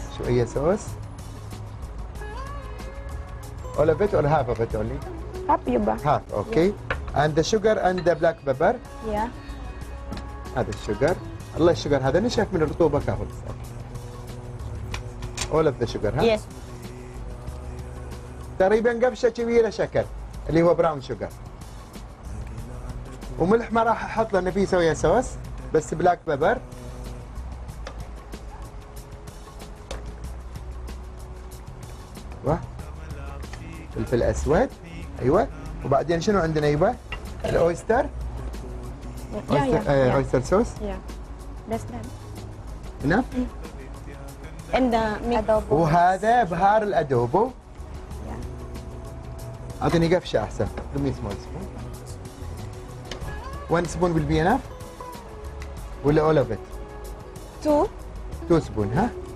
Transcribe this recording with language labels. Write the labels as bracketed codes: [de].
[ar] شويه صوص [en] all of it or half of it only half يبا half okay yeah. and the sugar and the black pepper yeah [ar] هذا الشوكر الله الشوكر هذا نشف من الرطوبه كهو [en] all of the sugar [ar] ها [en] yes [ar] تقريبا قفشه كبيره شكل اللي هو براون شوجر وملح ما راح احط لانه فيه سويا صوص بس بلاك بيبر و فلفل اسود ايوه وبعدين شنو عندنا يبا الاويستر اويستر صوص بس نعم ادوبو وهذا بهار الادوبو أعطيني قفشة أحسن. [en] Give me small spoon. One spoon will be enough. [ar] ولا [en] all of it. Two. Two spoon ها.